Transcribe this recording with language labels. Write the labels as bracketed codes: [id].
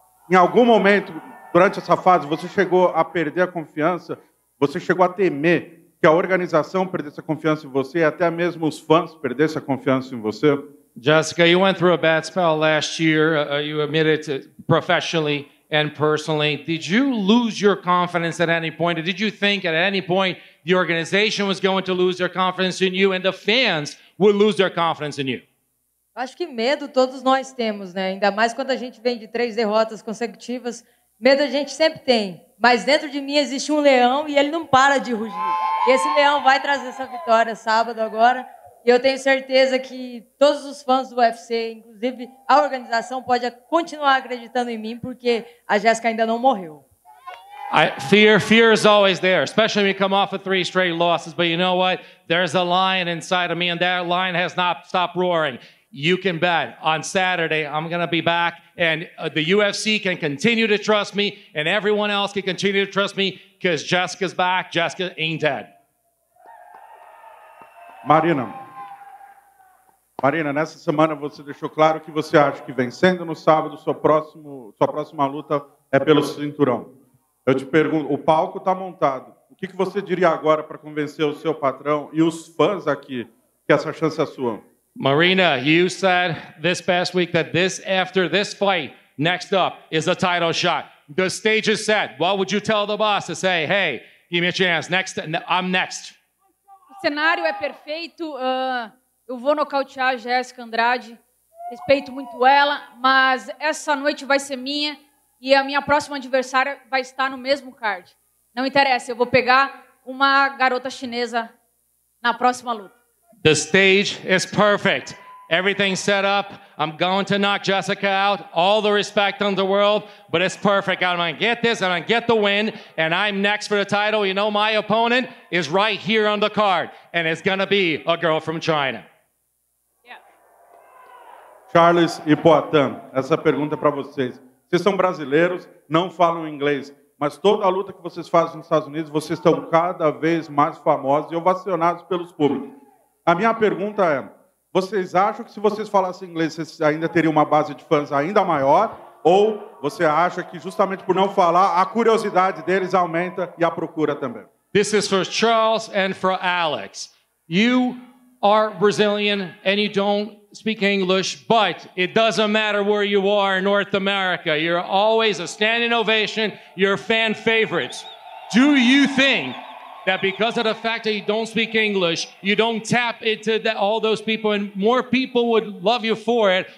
[pt] Em algum momento, durante essa fase, você chegou a perder a confiança, você chegou a temer que a organização perdesse a confiança em você e até mesmo os fãs perdessem a confiança em você? [en] Jessica, you went through a bad spell last year, you admitted it professionally and personally. Did you lose your confidence at any point? Or did you think at any point the organization was going to lose their confidence in you and the fans would lose their confidence in you? [pt] Acho que medo todos nós temos, né? Ainda mais quando a gente vem de 3 derrotas consecutivas. Medo a gente sempre tem. mas dentro de mim existe um leão e ele não para de rugir. E esse leão vai trazer essa vitória sábado agora. E eu tenho certeza que todos os fãs do UFC, inclusive a organização, pode continuar acreditando em mim, porque a Jéssica ainda não morreu. [en] Fear is always there, especially when you come off of three straight losses. But you know what? There's a lion inside of me, and that lion has not stopped roaring. You can bet. On Saturday, I'm going to be back, and the UFC can continue to trust me, and everyone else can continue to trust me, because Jessica's back. Jessica ain't dead. [pt] Marina, nessa semana você deixou claro que você acha que vencendo no sábado, sua próxima luta é pelo cinturão. Eu te pergunto, o palco está montado. O que você diria agora para convencer o seu patrão e os fãs aqui que essa chance é sua? [en] Marina, you said this past week that this, after this fight, next up is a title shot. The stage is set. What would you tell the boss to say, hey, give me a chance, next, I'm next? [pt] O cenário é perfeito. Eu vou nocautear a Jéssica Andrade. Respeito muito ela, mas essa noite vai ser minha. E a minha próxima adversária vai estar no mesmo card. Não interessa, eu vou pegar uma garota chinesa na próxima luta. [en] The stage is perfect. Everything's set up. I'm going to knock Jessica out. All the respect in the world, but it's perfect. I'm going to get this, I'm going to get the win, and I'm next for the title. You know, my opponent is right here on the card, and it's going to be a girl from China. Yeah. [pt] Charles e Poitin, essa pergunta é para vocês. Vocês são brasileiros, não falam inglês, mas toda a luta que vocês fazem nos Estados Unidos, vocês estão cada vez mais famosos e ovacionados pelos públicos. A minha pergunta é, vocês acham que se vocês falassem inglês, vocês ainda teriam uma base de fãs ainda maior? Ou você acha que justamente por não falar, a curiosidade deles aumenta e a procura também? [en] This is for Charles and for Alex. You are Brazilian and you don't speak English, but it doesn't matter where you are in North America. You're always a standing ovation. You're fan favorites. Do you think that because of the fact that you don't speak English, you don't tap into all those people and more people would love you for it?